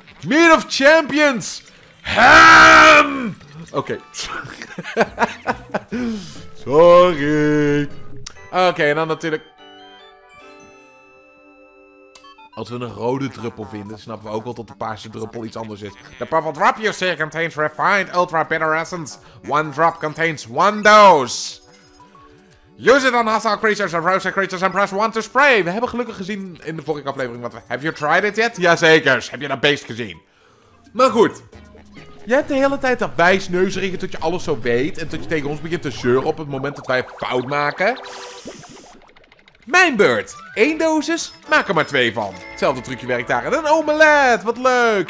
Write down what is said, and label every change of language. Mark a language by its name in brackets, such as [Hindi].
[Dutch] Meet of Champions! Ham! Oké. Sorry. Oké, en dan natuurlijk... Als we een rode druppel vinden, snappen we ook wel dat de paarse druppel iets anders is. [English] The purple drop you see contains refined ultra bitter essence. One drop contains one dose. Use it on hostile creatures and frozen creatures and press 1 to spray. [Dutch] We hebben gelukkig gezien in de vorige aflevering wat we... [English] Have you tried it yet? [Dutch] Jazeker. Heb je dat beest gezien? Maar goed. Je hebt de hele tijd dat wijsneuzeringen tot je alles zo weet. En tot je tegen ons begint te zeuren op het moment dat wij fout maken. Mijn beurt. 1 dosis. Maak er maar 2 van. Hetzelfde trucje werkt daar. En een omelet. Wat leuk.